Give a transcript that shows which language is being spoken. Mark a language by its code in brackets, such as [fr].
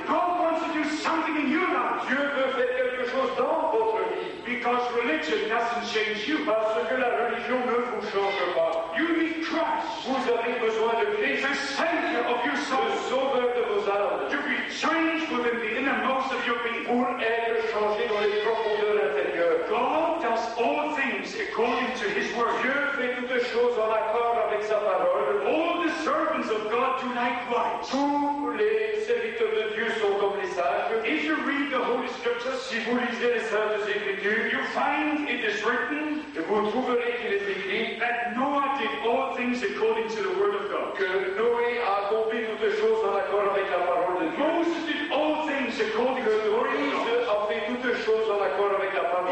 [en] God wants to do something in your life. [fr] Dieu veut faire quelque chose dans votre vie. [en] Because religion doesn't change you. [fr] Parce que la religion ne vous change pas. [en] You need Christ. [fr] Vous avez besoin de Christ. [en] The Savior of your soul. [fr] Le Sauveur de vos âmes. [en] To be changed within the innermost of your being. [fr] Pour être changé dans les profondeurs intérieures. [en] God does all things. according to his word. [fr] Dieu fait toutes choses en accord avec sa parole. [en] All the servants of God do likewise. [fr] Tous les serviteurs de Dieu sont comme les sages. [en] If you read the Holy Scriptures, [fr] si vous lisez les Saintes Écritures, [en] you find it is written, [fr] vous trouverez qu'il est écrit, [en] that Noah did all things according to the word of God. [fr] Que Noé a accompli toutes choses en accord avec la parole de Dieu. [en] Moses did all things according [fr] que [en] to the word of God. [fr] Moïse a fait toutes choses en accord avec la parole